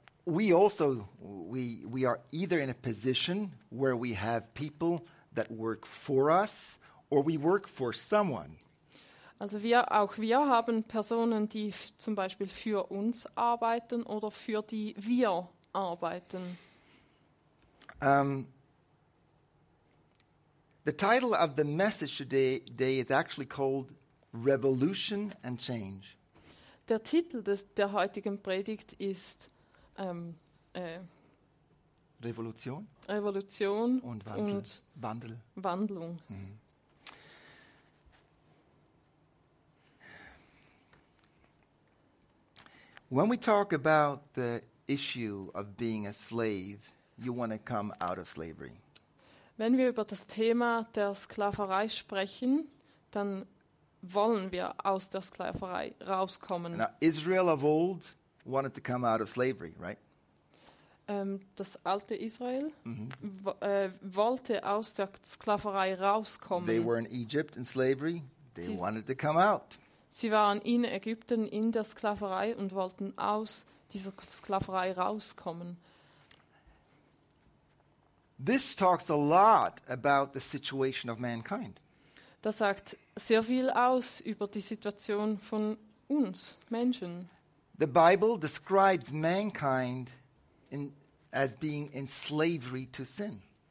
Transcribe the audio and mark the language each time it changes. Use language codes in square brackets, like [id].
[en] We are either in a position where we have people that work for us or we work for someone. [de] Also wir haben Personen, die zum Beispiel für uns arbeiten oder für die wir arbeiten. [en] The title of the message today is actually called Revolution and Change. [de] Der Titel der heutigen Predigt ist Revolution. Revolution und Wandel. Und Wandel. Wandlung. Mm-hmm. [en] When we talk about the issue of being a slave, you want to come out of slavery. [de] Wenn wir über das Thema der Sklaverei sprechen, dann wollen wir aus der Sklaverei rauskommen. [en] Now, Israel of old wanted to come out of slavery, right? [de] Das alte Israel wollte aus der Sklaverei rauskommen. [en] They were in Egypt in slavery. They wanted to come out. [de] Sie waren in Ägypten in der Sklaverei und wollten aus dieser Sklaverei rauskommen. [en] This talks a lot about the situation of mankind. [de] Das sagt sehr viel aus über die Situation von uns Menschen. [en] The Bible describes mankind as being in slavery to sin.